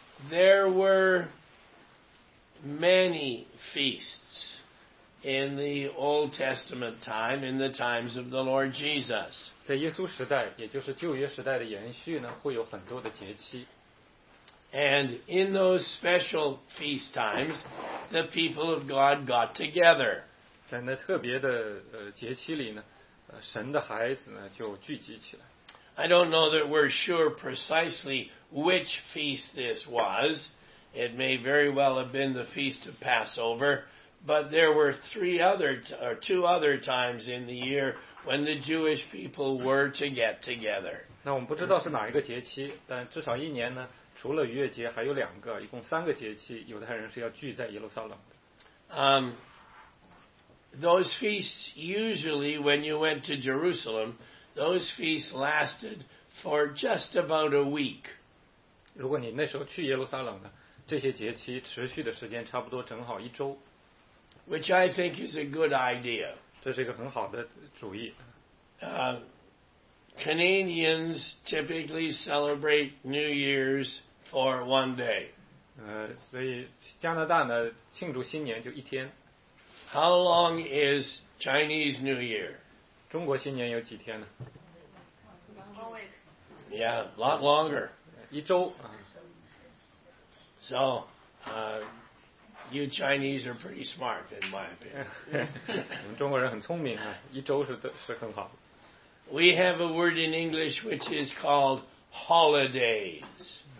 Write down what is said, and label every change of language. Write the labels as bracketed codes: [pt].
[en] There were many feasts in the Old Testament time, in the times of the Lord Jesus. [zh] 在耶稣时代，也就是旧约时代的延续呢，会有很多的节期。 [en] And in those special feast times, the people of God got together. [zh] 在那特别的节期里呢，神的孩子呢就聚集起来。 [en] I don't know that we're sure precisely which feast this was. It may very well have been the feast of Passover, but there were two other times in the year when the Jewish people were to get together. [zh] 那我们不知道是哪一个节期，但至少一年呢。除了逾越节还有两个一共三个节期犹太人是要聚在耶路撒冷的。 [en] Those feasts usually when you went to Jerusalem, those feasts lasted for just about a week. [zh] 如果你那时候去耶路撒冷呢这些节期持续的时间差不多正好一周。 [en] Which I think is a good idea. [zh] 这是一个很好的主意。 [en] Canadians typically celebrate New Year's for one day. [zh] 所以加拿大呢庆祝新年就一天。 [en] How long is Chinese New Year? [zh] 中国新年有几天呢 [en] Yeah, a lot longer. [zh] 一周。 [en] So, you Chinese are pretty smart in my opinion. [zh] 我们中国人很聪明啊，一周是很好的。 [en] We have a word in English which is called holidays.